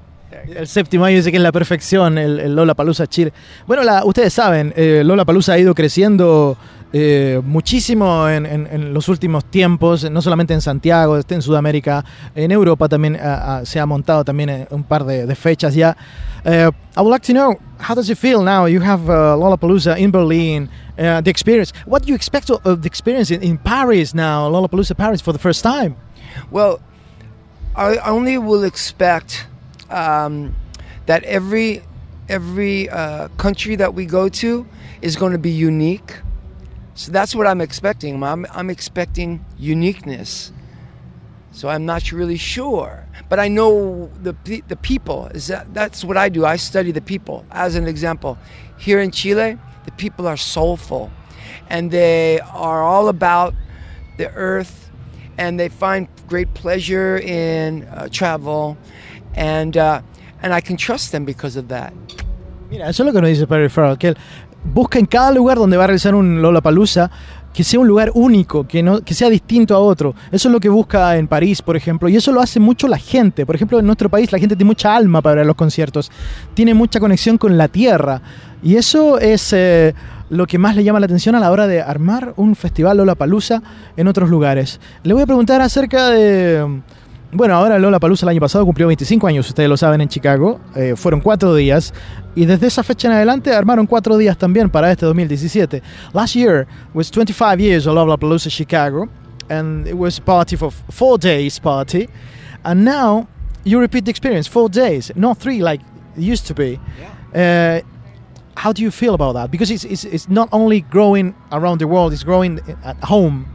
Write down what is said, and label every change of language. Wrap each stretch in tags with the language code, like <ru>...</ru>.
<es>El séptimo año dice que es la perfección, el Lollapalooza Chile. Bueno, ustedes saben, Lollapalooza ha ido creciendo muchísimo en los últimos tiempos, no solamente en Santiago, en Sudamérica, en Europa también se ha montado también un par de fechas ya.</es> <en>I would like to know, how does it feel now? You have Lollapalooza in Berlin, the experience. What do you expect of the experience in Paris now, Lollapalooza Paris for the first time? Well, I only will expect that every country that we go to is going to be unique. So that's what I'm expecting. I'm expecting uniqueness. So I'm not really sure, but I know the people. That's what I do. I study the people. As an example, here in Chile, the people are soulful, and they are all about the earth, and they find great pleasure in travel, and I can trust them because of that.</en> <es>Mira, eso es lo que nos dice Perry Farrell, que él busca en cada lugar donde va a realizar un Lollapalooza que sea un lugar único, que sea distinto a otro. Eso es lo que busca en París, por ejemplo, y eso lo hace mucho la gente. Por ejemplo, en nuestro país la gente tiene mucha alma para ver los conciertos, tiene mucha conexión con la tierra, y eso es lo que más le llama la atención a la hora de armar un festival Lollapalooza en otros lugares. Le voy a preguntar acerca de... Bueno, ahora Lollapalooza el año pasado cumplió 25 años, ustedes lo saben, en Chicago. Fueron 4 días. Y desde esa fecha en adelante armaron 4 días también para este 2017.</es> <en>Last year was 25 years of Lollapalooza Chicago. And it was a party for 4 days party. And now you repeat the experience, 4 days. Not 3 like it used to be. Yeah. How do you feel about that? Because it's not only growing around the world, it's growing at home.</en>